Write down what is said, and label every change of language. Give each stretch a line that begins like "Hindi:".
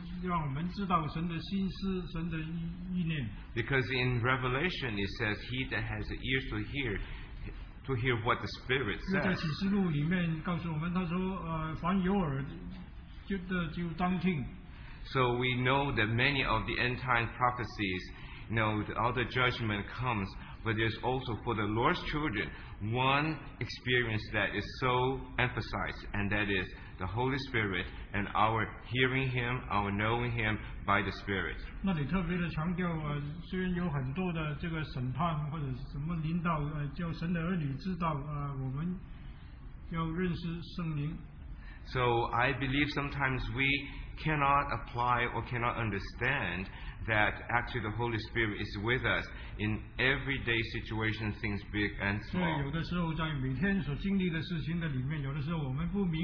Chinese: 这里就告诉我们，圣灵是让我们知道，圣灵的说预言就是让我们知道神的心思、神的意念。
English: Because in Revelation it says he that has the ears to hear what the Spirit says.
Chinese: 在启示录里面告诉我们，他说，凡有耳的就当听。
English: So we know that many of the end time prophecies, you know, all the judgment comes. But there's also for the Lord's children one experience that is so emphasized, and that is the Holy Spirit and our hearing Him, our knowing Him by the Spirit.
Chinese: 那里特别的强调，虽然有很多的这个审判或者什么领导，叫神的儿女知道，我们要认识圣灵。
English: So I believe sometimes we cannot apply or cannot understand that actually the Holy Spirit is with us in everyday situations, things big and small.